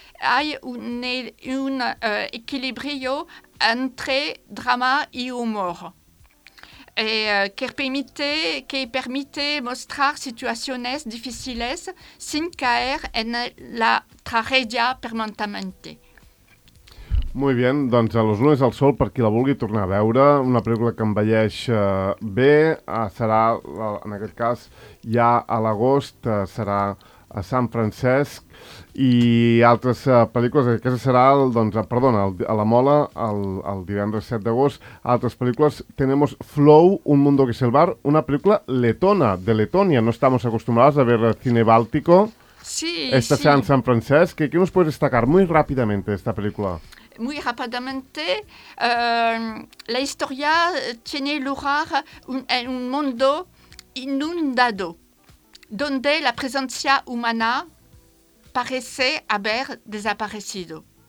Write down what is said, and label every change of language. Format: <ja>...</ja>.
<es>Hay un equilibrio entre drama y humor que permite mostrar situaciones difíciles sin caer en la tragedia permanentemente. Muy bien,</es> <ca>doncs a Los Lunes al Sol, per qui la vulgui tornar a veure, una pel·lícula que envelleix bé, serà, en aquest cas, ja a l'agost, serà a Sant Francesc, i altres pel·lícules, aquesta serà, a La Mola, el divendres 7 d'agost, altres pel·lícules,</ca> <es>tenemos Flow,</es> <ca>Un mundo que es el bar, una pel·lícula letona, de Letònia,</ca> <es>no estamos acostumbrados a ver cine báltico, sí, esta sí.</es> <ca>Serà en Sant Francesc,</ca> <es>que aquí nos puedes destacar muy rápidamente esta película. muy rápidamente, la historia tiene lugar en un mundo inundado, donde la presencia humana parece haber desaparecido.</es>